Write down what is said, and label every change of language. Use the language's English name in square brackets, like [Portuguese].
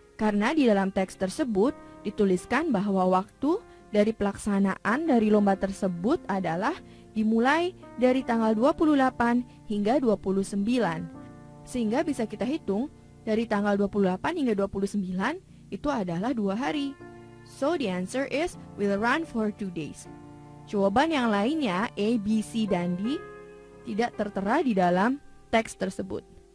[Indonesian] Karena di dalam teks tersebut dituliskan bahwa waktu dari pelaksanaan dari lomba tersebut adalah dimulai dari tanggal 28 hingga 29. Sehingga bisa kita hitung, dari tanggal 28 hingga 29 itu adalah 2 hari. [English] So the answer is, will run for 2 days. [Indonesian] Jawaban yang lainnya, A, B, C, dan D, tidak tertera di dalam teks tersebut.